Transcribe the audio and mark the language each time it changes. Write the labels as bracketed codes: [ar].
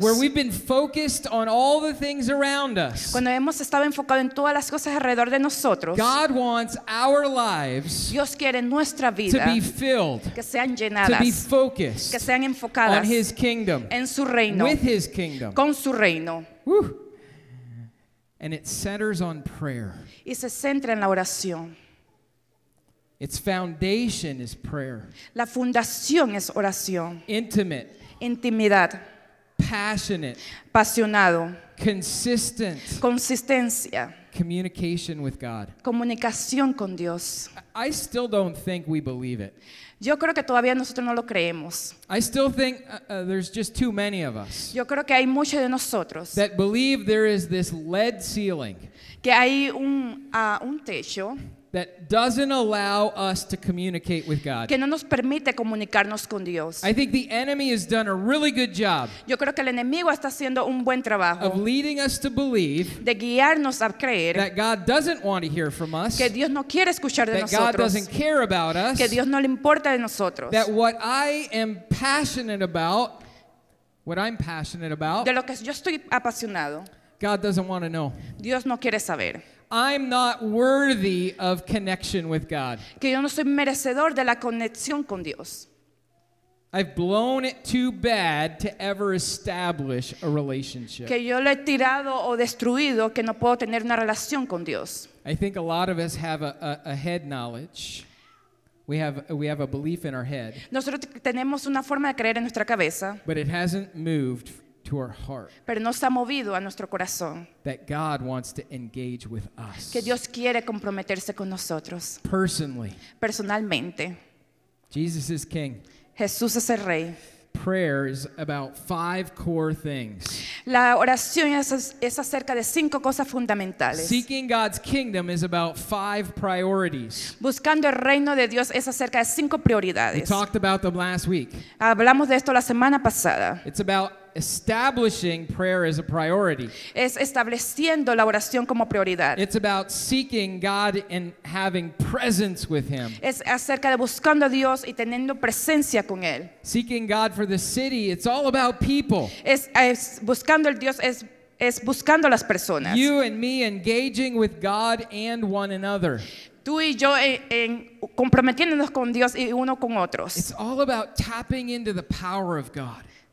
[en] Where we've been focused on all the things around us. [es] Cuando hemos estado enfocado en todas las cosas alrededor de nosotros. [en] God wants our lives. [es] Dios quiere nuestra vida. [en] To be filled. [es] Que sean llenadas. [en] To be focused. [es] Que sean enfocadas. [en] On His kingdom. [es] En su reino. [en] With His kingdom. [es] Con su reino. [en] Woo. And it centers on prayer. [es] Y se centra en la oración. [en] Its foundation is prayer. [es] La fundación es oración. [en] Intimate. [es] Intimidad. [en] Passionate. [es] Apasionado. [en] Consistent. [es] Consistencia. [en] Communication with God. [es] Comunicación con Dios. [en] I still don't think we believe it. [es] Yo creo que todavía nosotros no lo creemos. [en] I still think there's just too many of us. [es] Yo creo que hay muchos de nosotros. [en] That believe there is this lead ceiling. [es] Que hay un techo. [en] That doesn't allow us to communicate with God. [es] Que no nos permite comunicarnos con Dios. [en] I think the enemy has done a really good job. [es] Yo creo que el enemigo está haciendo un buen trabajo. [en] Of leading us to believe. [es] De guiarnos a creer. [en] That God doesn't want to hear from us. [es] Que Dios no quiere escuchar de [en] that [es] nosotros. [en] God doesn't care about us. [es] Que Dios no le importa de nosotros. [en] That what I am passionate about. What I'm passionate about. [es] De lo que yo estoy apasionado. [en] God doesn't want to know. [es] Dios no quiere saber. [en] I'm not worthy of connection with God. [es] Que yo no soy merecedor de la conexión con Dios. [en] I've blown it too bad to ever establish a relationship. [es] Que yo lo he tirado o destruido que no puedo tener una relación con Dios. [en] I think a lot of us have a head knowledge. We have a belief in our head. [es] Nosotros tenemos una forma de creer en nuestra cabeza. [en] But it hasn't moved to our heart. [es] Pero no está movido a nuestro corazón. [en] That God wants to engage with us. [es] Que Dios quiere comprometerse con nosotros. [en] Personally. [es] Personalmente. [en] Jesus is King. [es] Jesús es el rey. [en] Prayer is about five core things. [es] La oración es acerca de cinco cosas fundamentales. [en] Seeking God's kingdom is about five priorities. [es] Buscando el reino de Dios es acerca de cinco prioridades. [en] We talked about them last week. [es] Hablamos de esto la semana pasada. [en] It's about establishing prayer as a priority. [es] Es estableciendo la oración como prioridad. [en] It's about seeking God and having presence with Him. [es] Es acerca de buscando a Dios y teniendo presencia con Él. [en] Seeking God for the city, it's all about people. [es] Es buscando el Dios es buscando las personas. [en] You and me engaging with God and one another. [es] Tú y yo en comprometiéndonos con Dios y uno con otros. [en] It's all about tapping into the power of God.